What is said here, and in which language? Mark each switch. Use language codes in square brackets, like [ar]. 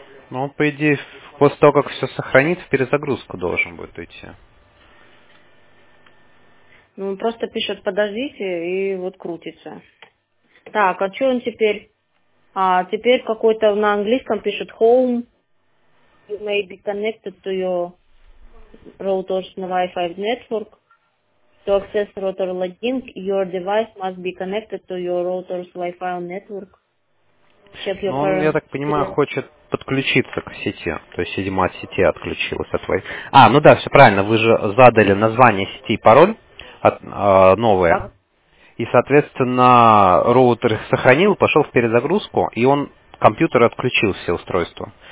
[ru] Ну, по идее, после того, как все сохранит, в перезагрузку должен будет идти. Ну, он просто пишет, подождите, и вот крутится. Так, а что он теперь? А теперь какой-то на английском пишет home. [en] You may be connected to your router's Wi-Fi network. To access router login, your device must be connected to your router's Wi-Fi network. [ru] Я так понимаю, хочет подключиться к сети. То есть видимо от сети отключилась от Wi-Fi. Все правильно. Вы же задали название сети и пароль новые. И, соответственно, роутер сохранил, пошел в перезагрузку, и он, компьютер, отключил все устройства.